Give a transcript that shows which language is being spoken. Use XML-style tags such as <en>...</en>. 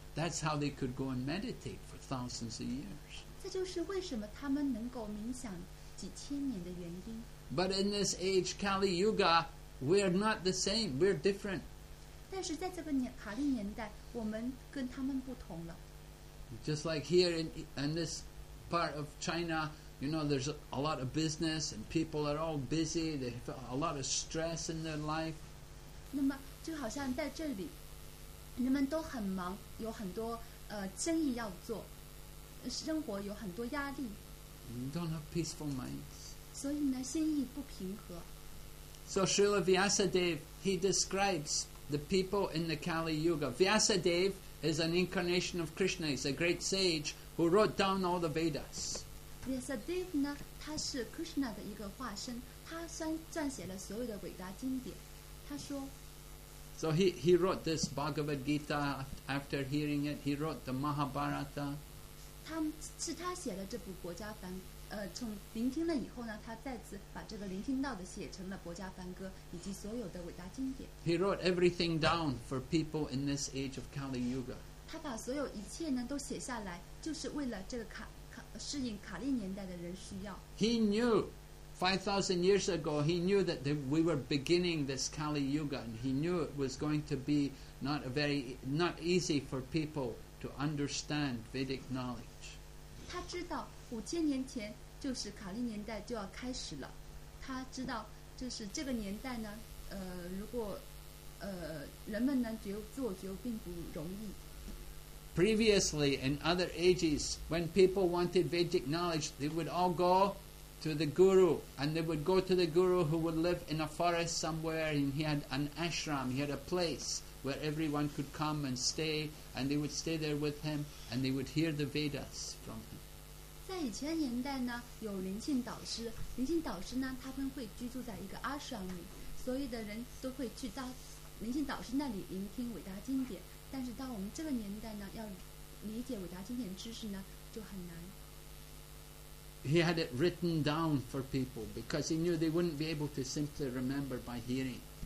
<en>That's how they could go and meditate for thousands of years.</en> <zh>这就是为什么他们能够冥想几千年的原因。</zh> <en>But in this age, Kali Yuga, we're not the same. We're different.</en> <zh>但是在这个年卡利年代，我们跟他们不同了。</zh> <en>Just like here in this part of China, you know, there's a lot of business and people are all busy. They have a lot of stress in their life.</en> <zh>那么就好像在这里。人们都很忙，有很多生意要做，生活有很多压力。</zh> <en>You don't have peaceful minds.</en> <zh>所以呢，心意不平和。</zh> <en>So Srila Vyasadeva he describes the people in the Kali Yuga. Vyasadeva is an incarnation of Krishna. He's a great sage who wrote down all the Vedas.</en> <zh>Vyasadeva 呢，他是 Krishna 的一个化身，他撰写了所有的伟大经典。他说。</zh> <en>So he wrote this Bhagavad Gita after hearing it. He wrote the Mahabharata.</en> <zh>是他写了这部国家梵，从聆听了以后呢，他再次把这个聆听到的写成了国家梵歌以及所有的伟大经典。</zh> <en>He wrote everything down for people in this age of Kali Yuga.</en> <zh>他把所有一切呢都写下来，就是为了这个适应卡利年代的人需要。</zh> <en>He knew. 5,000 years ago, he knew that we were beginning this Kali Yuga, and he knew it was going to be not easy for people to understand Vedic knowledge.</en> <zh>他知道五千年前就是卡利年代就要开始了。他知道就是这个年代呢，如果人们呢觉悟并不容易。</zh> <en>previously in other ages, when people wanted Vedic knowledge, they would all go to the guru, and they would go to the guru who would live in a forest somewhere, and he had an ashram, he had a place where everyone could come and stay, and they would stay there with him, and they would hear the Vedas from him.</en> <zh>在以前年代呢，有灵性导师，灵性导师呢，他们会居住在一个ashram里，所有的人都会去到灵性导师那里聆听伟大经典。但是到我们这个年代呢，要理解伟大经典知识呢，就很难。</zh> <en>He had it written down for people because he knew they wouldn't be able to simply remember by hearing.</en>